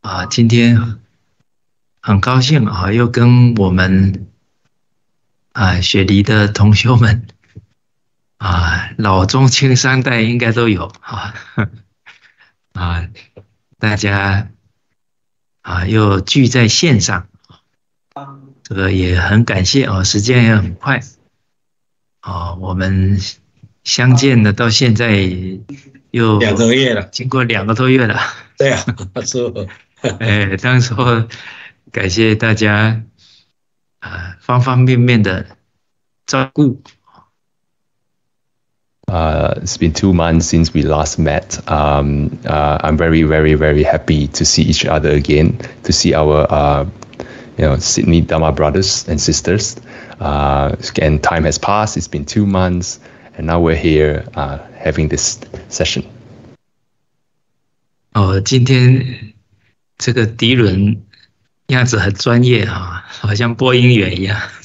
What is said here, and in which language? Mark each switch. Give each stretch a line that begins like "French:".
Chinese: 今天很高兴又跟我们雪梨的同学们老中青三代应该都有大家又聚在线上，这个也很感谢时间也很快我们相见的到现在又两个月了，经过2个多月了。对呀，是，哎，当时候感谢大家，方方面面的照顾。
English: It's been 2 months since we last met. I'm very, very, very happy to see each other again, to see our, Sydney Dharma brothers and sisters. And time has passed. It's been 2 months, and now we're here, having this session.
Chinese: 今天。这个迪伦样子很专业好像播音员一样。